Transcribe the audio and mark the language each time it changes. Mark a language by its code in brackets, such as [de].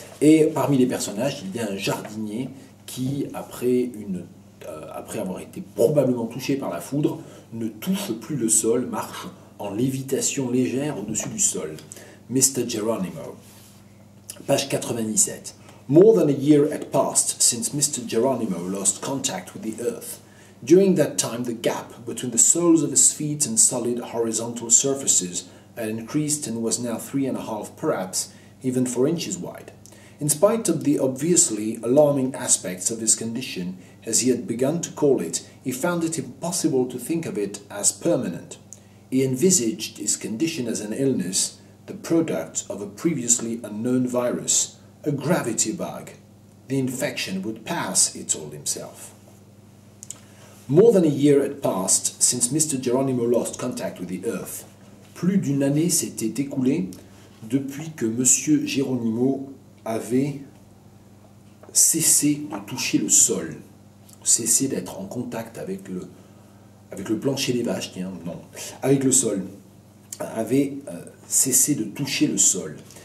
[fr] Et parmi les personnages, il y a un jardinier qui, après avoir été probablement touché par la foudre, ne touche plus le sol, marche en lévitation légère au-dessus du sol. [en] Mr. Geronimo. Page 97. More than a year had passed since Mr. Geronimo lost contact with the earth. During that time, the gap between the soles of his feet and solid horizontal surfaces had increased and was now 3.5, perhaps, even 4 inches wide. In spite of the obviously alarming aspects of his condition, as he had begun to call it, he found it impossible to think of it as permanent. He envisaged his condition as an illness, the product of a previously unknown virus, a gravity bug. The infection would pass, he told himself. More than a year had passed since Mr. Geronimo lost contact with the earth. [fr] Plus d'une année s'était écoulée depuis que Monsieur Geronimo avait cessé de toucher le sol, cessé d'être en contact avec le plancher des vaches, tiens, non, avec le sol, avait cessé de toucher le sol.